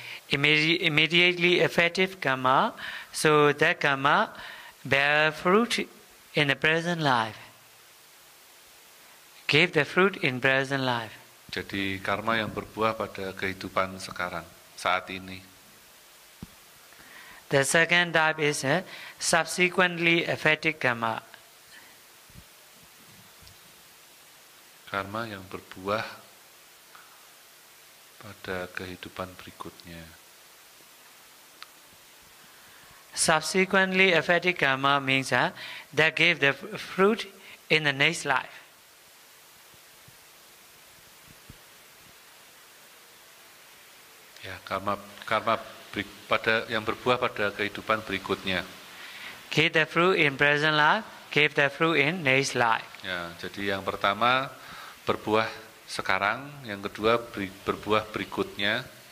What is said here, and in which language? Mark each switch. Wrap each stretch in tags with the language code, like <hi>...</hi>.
<en>Immediately effective karma, so that karma bear fruit in the present life. Give the fruit in present life.</en> <id>Jadi karma yang berbuah pada kehidupan sekarang, saat ini.</id> <en>The second type is subsequently effective karma.</en> <id>Karma yang berbuah pada kehidupan berikutnya.</id> <en>Subsequently effective karma means that gave the fruit in the next life.</en> <id>Ya, karma pada yang berbuah pada kehidupan berikutnya.</id> <en>Gave the fruit in present life, gave the fruit in next life.</en> <id>Ya, jadi yang pertama berbuah sekarang, yang kedua berbuah berikutnya.</id>